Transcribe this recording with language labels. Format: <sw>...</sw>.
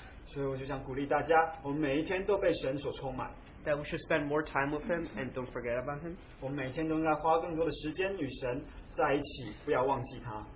<zh>所以我就想鼓励大家，我们每一天都被神所充满。</zh> <en>That we should spend more time with Him and don't forget about Him.</en> <zh>我们每天都应该花更多的时间与神在一起，不要忘记他。</zh>